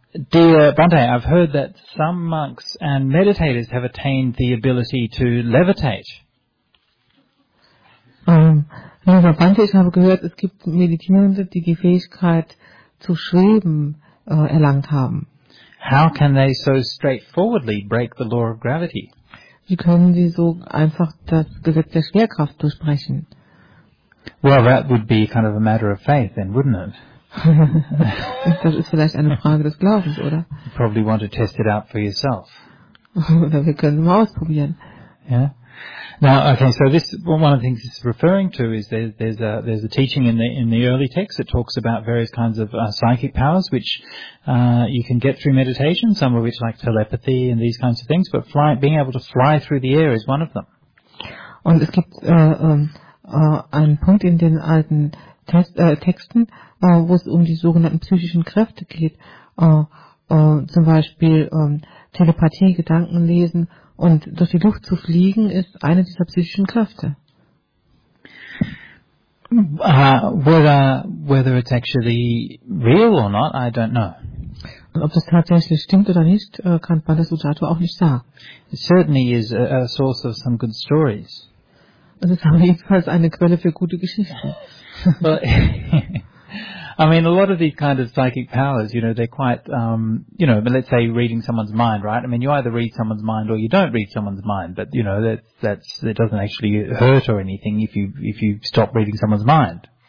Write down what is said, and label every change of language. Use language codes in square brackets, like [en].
[en] Dear Bande, I've heard that some monks and meditators have attained the ability to levitate. [de] Lieber Bante, ich habe gehört, es gibt Meditierende, die Fähigkeit zu schweben erlangt haben. [en] How can they so straightforwardly break the law of gravity? [de] Wie können sie so einfach das Gesetz der Schwerkraft durchbrechen? [en] Well, that would be kind of a matter of faith, then, wouldn't it? [de] Das ist vielleicht eine Frage des Glaubens, oder? [en] You probably want to test it out for yourself. [de] Oder wir können es mal ausprobieren. [en] Yeah. Now, okay, so this, well, one of the things this is referring to is there's a teaching in the early text that talks about various kinds of psychic powers which you can get through meditation, some of which like telepathy and these kinds of things, but being able to fly through the air is one of them. [de] Und es gibt einen Punkt in den alten Texten, wo es um die sogenannten psychischen Kräfte geht, zum Beispiel Telepathie, Gedanken lesen. Und durch die Luft zu fliegen ist eine dieser psychischen Kräfte. [en] Whether it's actually real or not, I don't know. [de] Und ob das tatsächlich stimmt oder nicht, kann Bodhisattva auch nicht sagen. [en] It certainly is a source of some good stories. [de] Es ist auf jeden Fall eine Quelle für gute Geschichten. [en] I mean, a lot of these kind of psychic powers, you know, they're quite, you know, let's say reading someone's mind, right? I mean, you either read someone's mind or you don't read someone's mind, but, you know, that doesn't actually hurt or anything if you stop reading someone's mind.